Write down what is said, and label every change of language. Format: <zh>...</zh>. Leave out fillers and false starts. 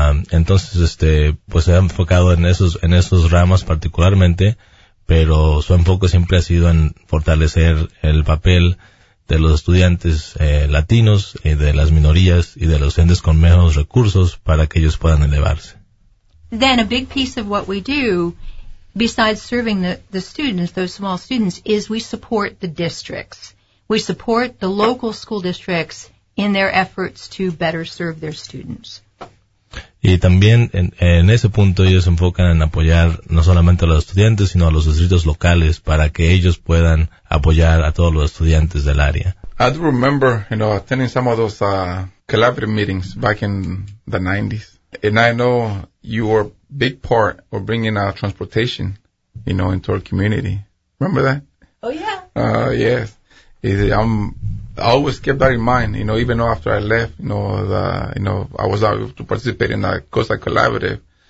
<es>Entonces, pues se ha enfocado en esos ramas particularmente, pero su enfoque siempre ha sido en fortalecer el papel de los estudiantes latinos y de las minorías y de los estudiantes con menos recursos para que ellos puedan elevarse.</es> <en>Then a big piece of what we do, besides serving the students, those small students, is we support the districts. We support the local school districts in their efforts to better serve their students.</en> <es>Y también en ese punto ellos se enfocan en apoyar no solamente a los estudiantes, sino a los distritos locales para que ellos puedan apoyar a todos los estudiantes del área.</es> <en>I do remember, you know, attending some of those collaborative meetings back in the 90s. And I know you were a big part of bringing our transportation, you know, into our community. Remember that? Oh, yeah. Yes. I always kept that in mind, you know, even though after I left, you know, I was out to participate in that Costa Collaborative.</en>